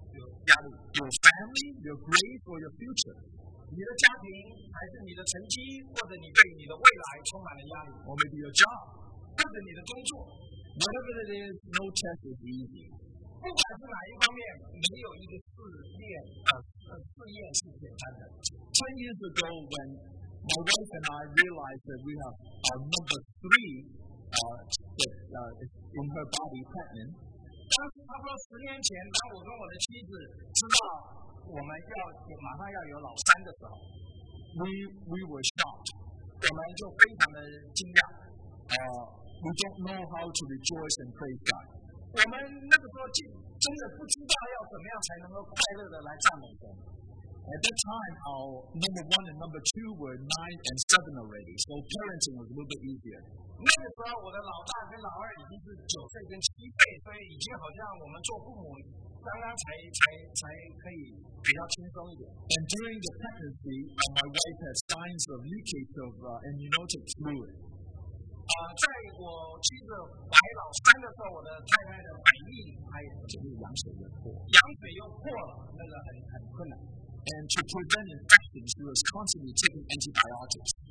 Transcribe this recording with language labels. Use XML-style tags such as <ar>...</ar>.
<zh>压力</zh> <en>？Your family, your grade or your future？</en> <zh>你的家庭还是你的成绩，或者你对你的未来充满了压力</zh> <en>？Or maybe your job？</en> <zh>或者你的工作</zh> <en>？Whatever it is, no test is easy。</en> <zh>不管是哪一方面，没有一个试验是简单的。</zh> <en>10 years ago, when my wife and I realized that we have number three in her body, pregnant.</en> <zh>当时差不多十年前，当我跟我的妻子知道我们要马上要有老三的时候</zh> <en>，we were shocked.</en> <zh>我们就非常的惊讶。</zh> <en>We don't know how to rejoice and praise God.</en> <zh>我们那个时候真的不知道要怎么样才能够快乐的来赞美神。</zh> <en>At that time, our number one and number two were 9 and 7 already, so parenting was a little bit easier.</en> <zh>那个时候，我的老大跟老二已经是9岁跟7岁，所以已经好像我们做父母刚刚才可以比较轻松一点。</zh> <en>And during the pregnancy, my wife had signs of leakage of amniotic fluid.</en> <zh>在我妻子怀老三的时候，我的太太的反应还有就是羊水又破，羊水又破了，那个很困难。</zh> <en>And to prevent infection, she was constantly taking antibiotics.</en>